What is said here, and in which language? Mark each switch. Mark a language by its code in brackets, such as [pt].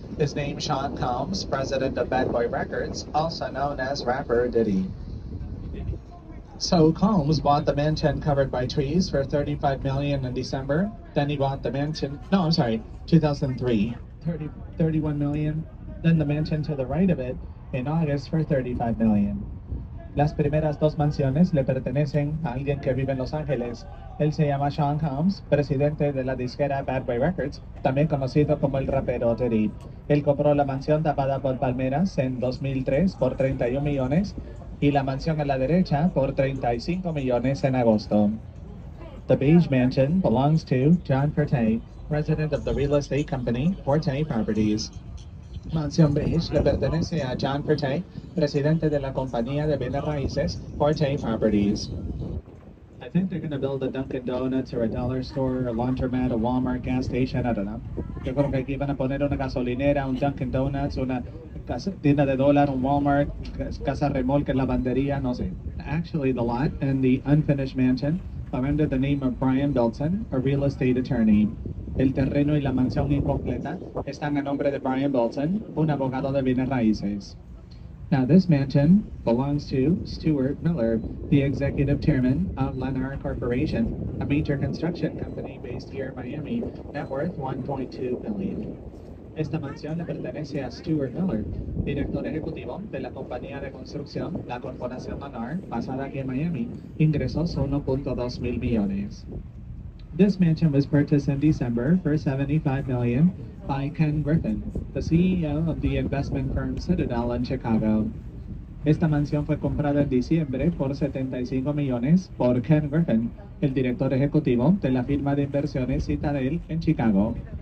[en] His name is Sean Combs, president of Bad Boy Records, also known as rapper Diddy. So Combs bought the mansion covered by trees for $35 million in December. Then he bought the mansion, 31 million. Then the mansion to the right of it in August for $35 million. [es] Las primeras dos mansiones le pertenecen a alguien que vive en Los Ángeles. Él se llama Sean Combs, presidente de la disquera Bad Boy Records, también conocido como el rapero Diddy. Él compró la mansión tapada por palmeras en 2003 por $31 million y la mansión a la derecha por $35 million en agosto. [en] The beige mansion belongs to John Forte, president of the real estate company Forte Properties. [es] Mansión Beige le pertenece a John Forte, presidente de la compañía de bienes raíces, Forte Properties. [en] I think they're going to build a Dunkin' Donuts or a dollar store, a laundromat, a Walmart, gas station, I don't know. [es] Yo creo que aquí van a poner una gasolinera, un Dunkin' Donuts, una casa, tienda de dólar, un Walmart, casa remolque, lavandería, no sé. [en] Actually, the lot and the unfinished mansion are under the name of Brian Belton, a real estate attorney. [es] El terreno y la mansión incompleta están a nombre de Brian Belton, un abogado de bienes raíces. [en] Now this mansion belongs to Stuart Miller, the executive chairman of Lennar Corporation, a major construction company based here in Miami, net worth $1.2 billion. [es] Esta mansión le pertenece a Stuart Miller, director ejecutivo de la compañía de construcción, la corporación Lennar, basada aquí en Miami. Ingresos son $1.2 billion. [en] This mansion was purchased in December for $75 million by Ken Griffin, the CEO of the investment firm Citadel in Chicago. [es] Esta mansión fue comprada en diciembre por $75 million por Ken Griffin, el director ejecutivo de la firma de inversiones Citadel en Chicago.